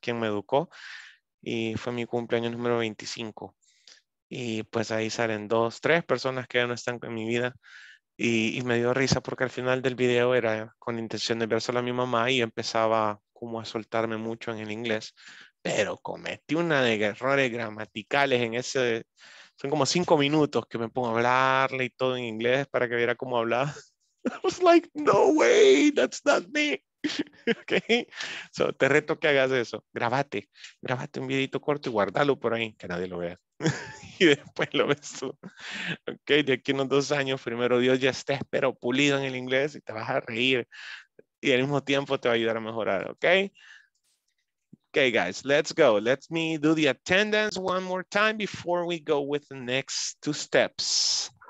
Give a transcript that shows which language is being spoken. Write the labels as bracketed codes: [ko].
[es] Quién me educó, y fue mi cumpleaños número 25, y pues ahí salen dos, tres personas que ya no están en mi vida, y me dio risa porque al final del video era con intención de ver solo a mi mamá, y empezaba como a soltarme mucho en el inglés, pero cometí una de errores gramaticales en ese... Son como cinco minutos que me pongo a hablarle y todo en inglés para que viera cómo hablaba. [en] I was like, no way, that's not me. [es] Okay. So, te reto que hagas eso. Grabate. Grabate un videito corto y guárdalo por ahí, que nadie lo vea. Y después lo ves tú. Okay. De aquí a unos dos años, primero Dios, ya estés pero pulido en el inglés y te vas a reír. Y al mismo tiempo te va a ayudar a mejorar, okay? [en] Okay, guys, let's go. Let me do the attendance one more time before we go with the next two steps.